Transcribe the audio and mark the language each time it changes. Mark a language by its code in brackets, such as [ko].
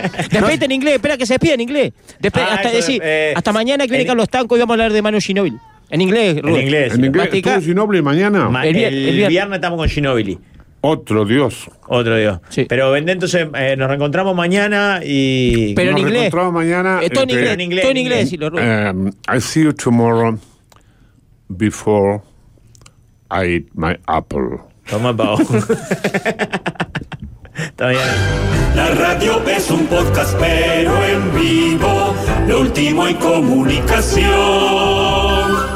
[es] Despedite en inglés, espera que se despide en inglés. Hasta mañana que viene Carlos Tanco y vamos a hablar de Manu Ginóbili. En inglés, Rubén. En inglés. ¿En inglés? ¿Tú con Ginóbili mañana? El viernes estamos con Ginóbili. Otro Dios. Sí. Pero vendé, entonces nos reencontramos mañana y... Pero en inglés. Nos reencontramos mañana. Esto en inglés. Esto en inglés, Rubén. [en] I see you tomorrow before I eat my apple. [es] Toma, Pao. Está bien. La radio es un podcast, pero en vivo. Lo último en comunicación.